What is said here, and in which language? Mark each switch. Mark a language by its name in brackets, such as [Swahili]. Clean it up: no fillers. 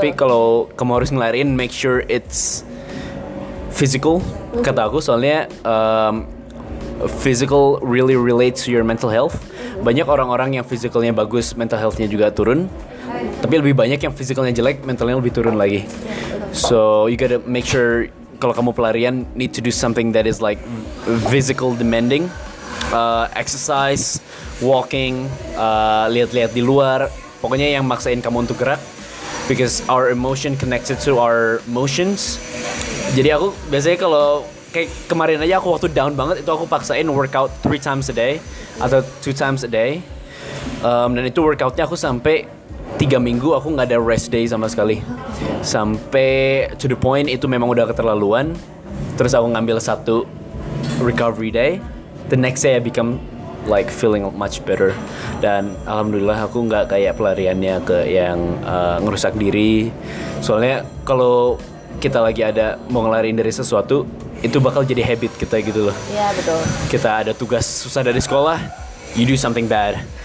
[Indonesian] Tapi kalau kamu harus ngelariin, [English] make sure it's physical, [Indonesian] kata aku, soalnya [English] physical really relates to your mental health. [Indonesian] Banyak orang-orang yang physicalnya bagus, mental healthnya juga turun. Tapi lebih banyak yang physicalnya jelek, mentalnya lebih turun lagi. [English] So you gotta make sure [Indonesian] kalau kamu pelarian, [English] need to do something that is like physical demanding. Exercise, walking, [Indonesian] lihat-lihat di luar. Pokoknya yang maksain kamu untuk gerak. [English] Because our emotion connected to our motions. [Indonesian] Jadi aku biasanya kalau kayak kemarin aja aku waktu down banget, itu aku paksain workout [English] 3 times a day [Indonesian] atau [English] 2 times a day. [Indonesian] Dan itu workoutnya aku sampai 3 minggu aku gak ada rest day sama sekali. Sampai [English] to the point [Indonesian] itu memang udah keterlaluan. Terus aku ngambil satu recovery day. [English] The next day I become like feeling much better. [Indonesian] Dan alhamdulillah aku gak kayak pelariannya ke yang ngerusak diri. Soalnya kalau kita lagi ada mau ngelariin dari sesuatu, itu bakal jadi habit kita gitu loh. Iya, betul. Kita ada tugas susah dari sekolah, [English] you do something bad.